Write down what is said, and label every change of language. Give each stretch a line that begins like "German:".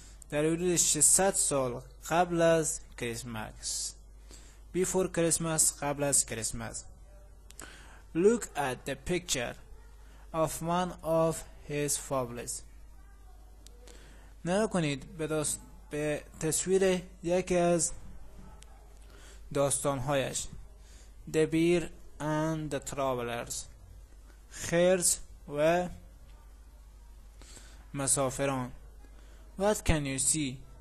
Persian: در حدود 600 سال قبل از کریسمس.
English: Before Christmas
Persian: قبل از کریسمس.
English: Look at the picture of one of his fables.
Persian: نگاه کنید به تصویر یکی از داستان‌هایش.
English: The Bear and the Travelers.
Persian: خرس و مسافران.
English: What can you see?